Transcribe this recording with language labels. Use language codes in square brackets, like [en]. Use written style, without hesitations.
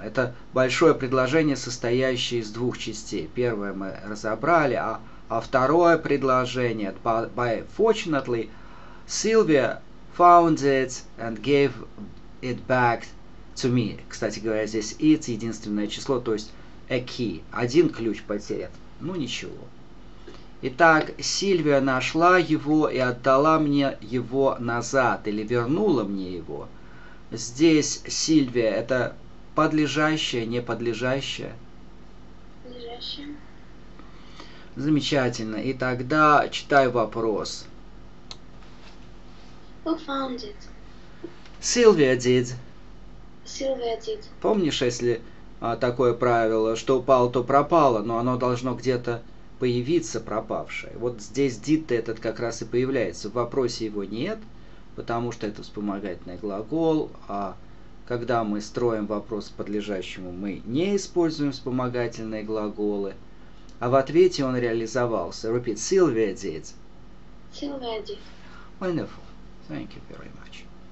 [ru] Это большое предложение, состоящее из двух частей. Первое мы разобрали, а второе предложение [en] by fortunately Sylvia found it and gave it back to me. [ru] Кстати говоря, здесь it единственное число, то есть a key. Один ключ потерян. Ну ничего. Итак, Сильвия нашла его и отдала мне его назад, или вернула мне его. Здесь Сильвия – это подлежащее, не подлежащее? Подлежащее. Замечательно. И тогда читай вопрос. [en] Who found it? Сильвия did. Сильвия did. [ru] Помнишь, если такое правило, что упало, то пропало, но оно должно где-то появиться, пропавшее. Вот здесь did-то этот как раз и появляется. В вопросе его нет, потому что это вспомогательный глагол, а когда мы строим вопрос к подлежащему, мы не используем вспомогательные глаголы. А в ответе он реализовался. [en] Repeat. Sylvia did. Sylvia did. Wonderful. Thank you very much.